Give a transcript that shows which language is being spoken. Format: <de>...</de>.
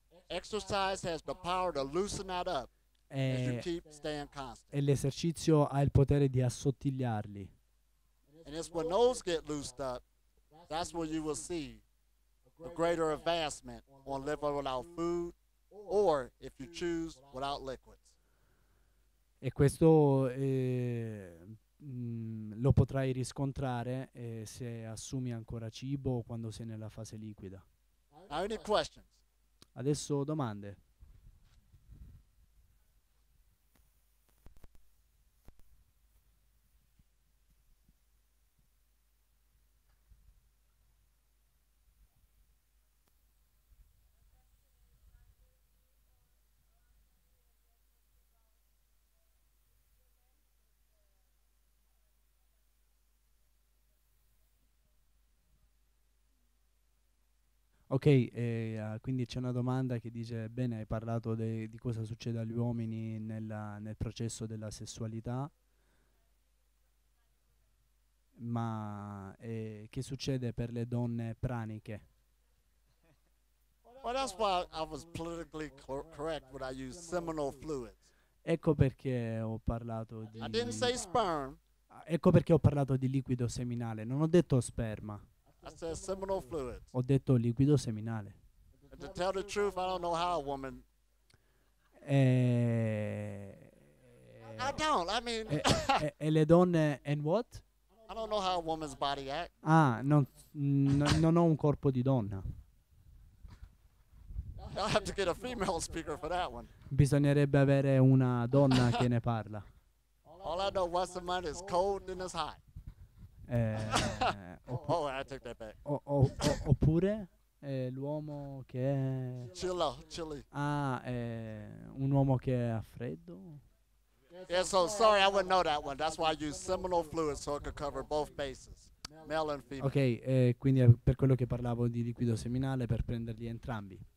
<en>Exercise has the power to loosen that up as you keep staying constant.</en> <it>E l'esercizio ha il potere di assottigliarli.</it> <en>And it's when those get loosed up, that's when you will see a greater advancement on living without food or, if you choose, without liquids.</en> <it>E questo lo potrai riscontrare se assumi ancora cibo o quando sei nella fase liquida.</it> <en>Now, any questions?</en> <it>Adesso domande. Ok, quindi c'è una domanda che dice, bene, hai parlato di cosa succede agli uomini nel processo della sessualità, ma che succede per le donne praniche?</it> <en>Well, that's why I was politically correct when I used seminal fluids.</en> <it>Ecco perché ho parlato di...</it> <en>I didn't say sperm.</en> <it>Ecco perché ho parlato di liquido seminale, non ho detto sperma.</it> <en>I said seminal fluids.</en> <it>Ho detto liquido seminale.</it> <en>And to tell the truth, I don't know how a woman. I don't. I mean.</en> <it>E le donne</it> <en>and what? I don't know how a woman's body acts.</en> <it>Ah, non ho un corpo di donna.</it> <en>I'll have to get a female speaker for that one.</en> <it>Bisognerebbe avere una donna che ne parla.</it> <en>All I know, once a month is cold and it's hot. I took that back.</en> <it>Oppure l'uomo che è</it> <en>chilly.</en> <it>Ah, un uomo che ha freddo.</it> <en>Yeah, so sorry, I wouldn't know that one. That's why I use seminal fluid so it could cover both bases, male and female.</en> <it>Ok, quindi per quello che parlavo di liquido seminale per prenderli entrambi.</it>